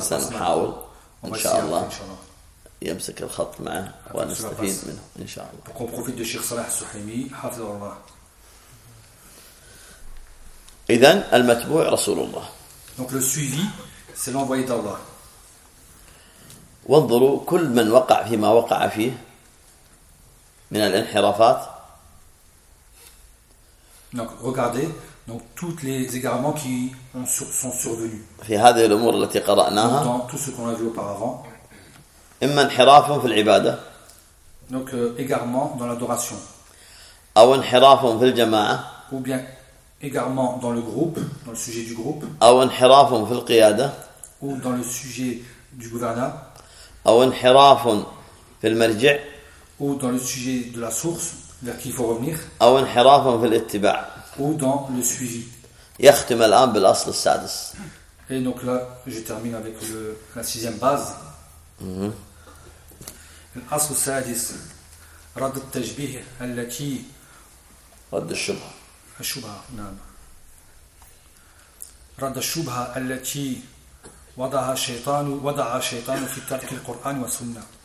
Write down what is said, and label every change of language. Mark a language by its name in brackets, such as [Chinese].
[Arabic] سنحاول إن شاء الله يمسك الخط معه ونستفيد منه إن شاء الله. [French] Pour qu'on profite de Cheikh Salah Al-Suhaimi, [Arabic] حافظ الله. إذن المتبوع رسول الله. [French] Donc le suivi, c'est l'envoyé d'Allah. [Arabic] وانظروا كل من وقع فيما وقع فيه من الانحرافات. [French] Donc regardez. Donc tous les égarements qui sont survenus. [Arabic] في هذه الأمور التي قرأناها. [French] Dans tout ce qu'on a vu auparavant. [Arabic] إما انحراف في العبادة. [French] Donc égarement dans l'adoration. [Arabic] أو انحراف في الجماعة. [French] Ou bien égarement dans le groupe, dans le sujet du groupe. [Arabic] أو انحراف في القيادة. [French] Ou dans le sujet du gouvernement. [Arabic] أو انحراف في المرجع. [French] Ou dans le sujet de la source vers qui il faut revenir. [Arabic] أو انحراف في الاتباع. [French] Ou dans le suivi. [Arabic] يختم الآن بالأصل السادس. [French] Et donc là, je termine avec la sixième base. [Arabic] الأصل السادس رد التشبيه التي رد الشبهة. الشبهة نعم. رد الشبهة التي وضع شيطان في ترك القرآن والسنة.